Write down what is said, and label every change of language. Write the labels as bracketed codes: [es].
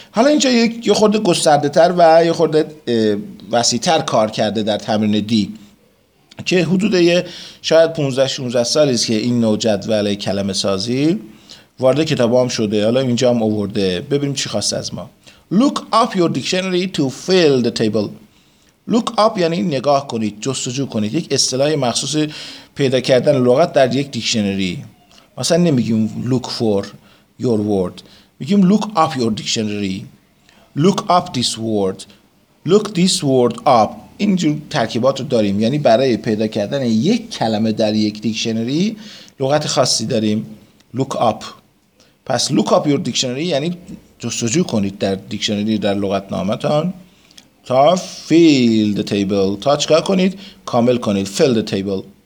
[fa] حالا اینجا یه خورده گسترده تر و یه خورده وسیع تر کار کرده در تمرین D، که حدود شاید 15-16 سالی است که این نوع جدول کلمه سازی وارد کتاب هم شده، حالا اینجا هم آورده. ببینیم چی خواست از ما. [en] Look up your dictionary to fill the table. [fa] Look up یعنی نگاه کنید، جستجو کنید. یک اصطلاح مخصوص پیدا کردن لغت در یک دیکشنری. مثلا نمیگیم [en] look for your word، [fa] میگیم [en] look up your dictionary. Look up this word. Look this word up. [fa] اینجور ترکیبات رو داریم، یعنی برای پیدا کردن یک کلمه در یک دیکشنری لغت خاصی داریم. [en] Look up. [fa] پس [en] look up your dictionary [fa] یعنی جستجو کنید در دیکشنری، در لغتنامه‌تان، تا [en] fill the table، [fa] تا چکار کنید؟ کامل کنید، fill the table.